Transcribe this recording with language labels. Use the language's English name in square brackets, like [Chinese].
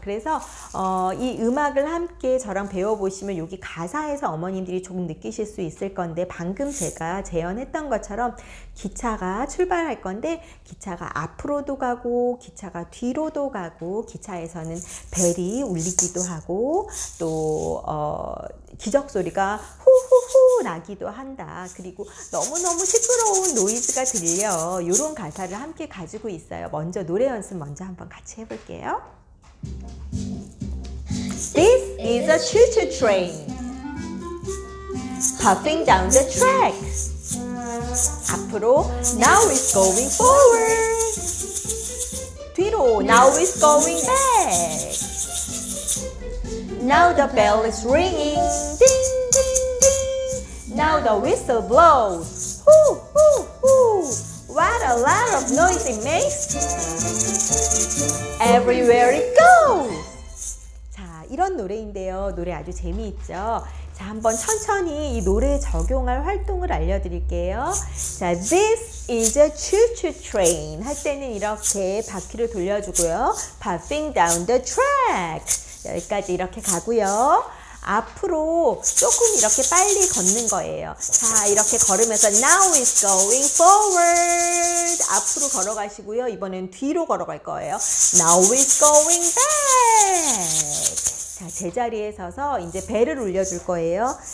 [Korean] 그래서 이 음악을 함께 저랑 배워보시면 여기 가사에서 어머님들이 조금 느끼실 수 있을 건데 방금 제가 재현했던 것처럼 기차가 출발할 건데 기차가 앞으로도 가고 기차가 뒤로도 가고 기차에서는 벨이 울리기도 하고 또 기적소리가 후후후 나기도 한다. 그리고 너무너무 시끄러운 노이즈가 들려. 요런 가사를 함께 가지고 있어요. 먼저 노래 연습 먼저 한번 같이 해볼게요. [English] This is a choo-choo train puffing down the track. 앞으로 Now it's going forward. 뒤로 Now it's going back. Now the bell is ringing. Ding, ding, ding. Now the whistle blows. Hoo, hoo, hoo. What a lot of noise it makes. Everywhere it goes. [Korean] 자, 이런 노래인데요. 노래 아주 재미있죠? 자, 한번 천천히 이 노래에 적용할 활동을 알려드릴게요. [English] 자, this is a choo-choo train. [Korean] 할 때는 이렇게 바퀴를 돌려주고요. [English] Puffing down the track. [Korean] 여기까지 이렇게 가고요. 앞으로 조금 이렇게 빨리 걷는 거예요. 자, 이렇게 걸으면서 [English] Now it's going forward. [Korean] 앞으로 걸어가시고요. 이번엔 뒤로 걸어갈 거예요. [English] Now it's going back. [Korean] 자, 제자리에 서서 이제 벨을 울려줄 거예요.